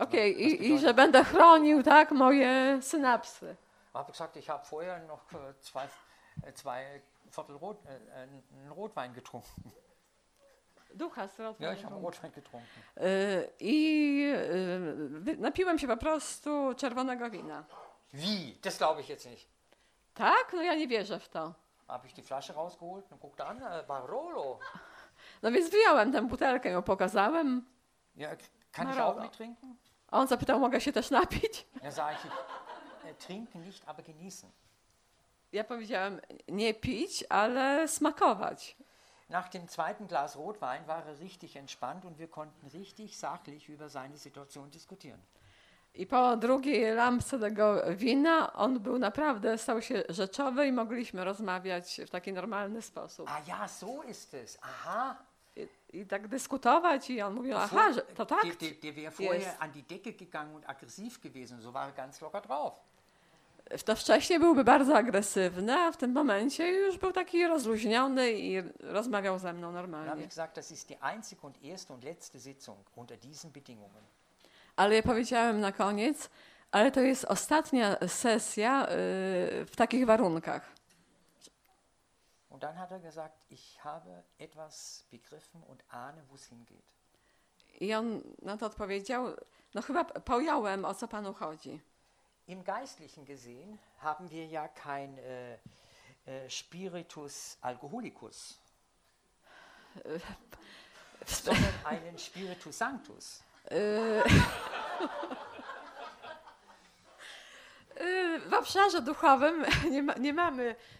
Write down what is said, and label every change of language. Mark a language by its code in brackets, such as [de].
[pl] Okay, że będę chronił, tak, moje synapsy. [de] Habe gesagt, ich habe vorher noch zwei Viertel Rotwein getrunken. [pl] Ducha z [de] Rotwein. Ja, ich habe Rotwein getrunken. [pl] Napiłem się po prostu czerwonego wina. [de] Wie? Das glaube ich jetzt nicht. [pl] Tak? No ja nie wierzę w to. [de] Habe ich die Flasche rausgeholt und guckte an, Barolo. [pl] No więc wyjąłem tę butelkę, ją pokazałem. [de] Ja, kann ich auch nicht trinken? [pl] A on zapytał, mogę się też napić? [de] Ja, sage ich, trinken nicht, aber genießen. [pl] Ja powiedziałem, nie pić, ale smakować. [de] Nach dem zweiten Glas Rotwein war er richtig entspannt und wir konnten richtig sachlich über seine Situation diskutieren. [pl] I po drugiej lampce tego wina on był naprawdę, stał się rzeczowy i mogliśmy rozmawiać w taki normalny sposób. [de] A ja, so ist es, aha. [pl] I tak dyskutować i on mówił, aha, so, to tak. [de] Der wäre vorher an die Decke gegangen und aggressiv gewesen, so war er ganz locker drauf. [pl] To wcześniej byłby bardzo agresywny, a w tym momencie już był taki rozluźniony i rozmawiał ze mną normalnie. [de] Habe ich gesagt, das ist die einzige und erste und letzte Sitzung unter diesen Bedingungen. [pl] Ale ja powiedziałem na koniec, ale to jest ostatnia sesja w takich warunkach. [de] Und dann hat er gesagt, ich habe etwas begriffen und ahne, wo es hingeht. [pl] I on na to odpowiedział, no chyba pojąłem, o co panu chodzi. [de] Im Geistlichen gesehen haben wir ja kein Spiritus Alkoholicus, sondern einen Spiritus Sanctus. [pl] W obszarze duchowym nie mamy